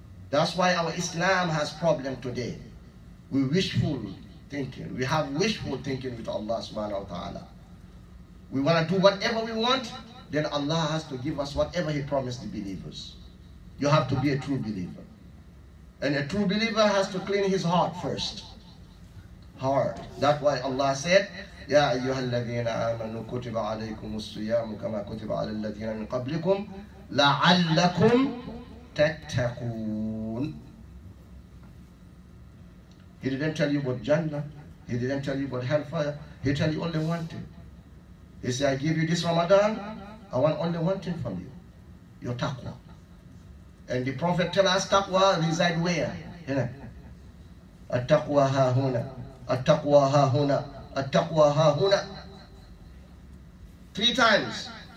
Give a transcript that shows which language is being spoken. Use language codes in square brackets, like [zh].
[en] That's why our Islam has problem today. We wishful thinking. We have wishful thinking with Allah subhanahu wa ta'ala. We want to do whatever we want, then Allah has to give us whatever he promised the believers. You have to be a true believer. And a true believer has to clean his heart first. Heart. That's why Allah said, [ar] يَا أَيُّهَا الَّذِينَ آمَنُوا كُتِبَ عَلَيْكُمُ الصِّيَامُ كَمَا كُتِبَ عَلَى الَّذِينَ مِنْ قَبْلِكُمْ لَعَلَّكُمْ تَتَّقُونَ. [en] He didn't tell you about Jannah. He didn't tell you about hellfire. He tell you only one thing. He said, I give you this Ramadan. I want only one thing from you. Your taqwa. And the Prophet tell us taqwa reside where? Here. [ar] At-taqwa ha-huna. At-taqwa ha-huna. At-taqwa ha-huna. [en] Three times.